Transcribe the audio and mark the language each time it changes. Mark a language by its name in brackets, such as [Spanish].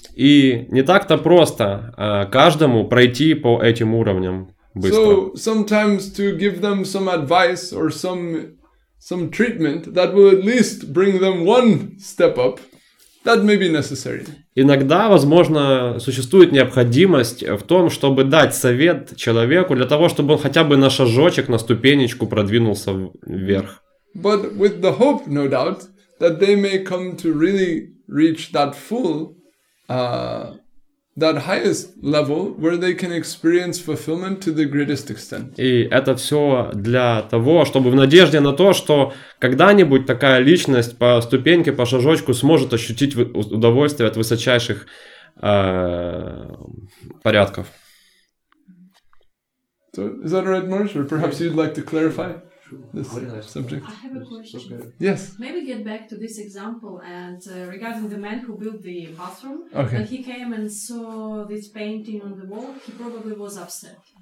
[Russian] И не так-то просто каждому пройти по этим уровням быстро. [English] So sometimes to give them some advice or some treatment that will at least bring them one step up, that may be necessary. [Russian] Иногда, возможно, существует необходимость в том, чтобы дать совет человеку для того, чтобы он хотя бы на шажочек, на ступенечку продвинулся вверх. [English] But with the hope, no doubt, that they may come to really reach that full, that highest level where they can experience fulfillment to the greatest extent. [Russian] И это все для того, чтобы в надежде на то, что когда-нибудь такая личность по ступеньке, по шажочку сможет ощутить удовольствие от высочайших порядков. [English] So, is that right, Marsh? Or perhaps you'd like to clarify this subject? I have a question. Yes. Maybe get back to this example and regarding the man who built the bathroom. Okay. When he came and saw this painting on the wall, he probably was upset.